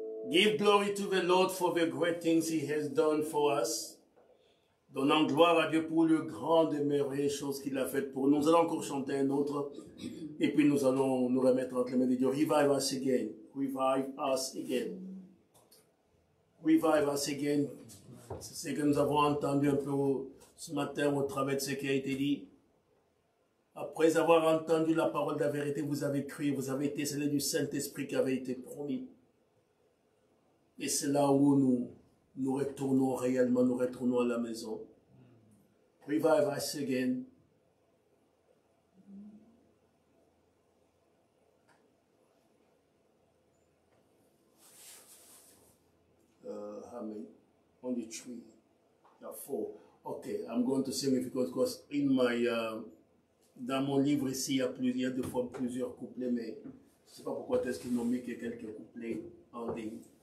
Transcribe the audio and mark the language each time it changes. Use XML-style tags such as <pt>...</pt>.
<en>Give glory to the Lord for the great things he has done for us.</en> <fr>Donnons gloire à Dieu pour le grand et merveilleux choses qu'il a faites pour nous. Nous allons encore chanter un autre. Et puis nous allons nous remettre entre les mains de Dieu.</fr> <en>Revive us again. Revive us again. Revive us again.</en> <fr>C'est ce que nous avons entendu un peu ce matin au travers de ce qui a été dit. Après avoir entendu la parole de la vérité, vous avez cru, vous avez été scellé du Saint-Esprit qui avait été promis. Et c'est là où nous retournons réellement, nous retournons à la maison.</fr> <en>Revive us again. Amen. Only three. Yeah, four. Okay, I'm going to sing it because in my...</en> <fr>dans mon livre ici, il y a plusieurs couplets, mais je ne sais pas pourquoi est-ce qu'ils n'ont mis que quelques couplets en ligne.</fr>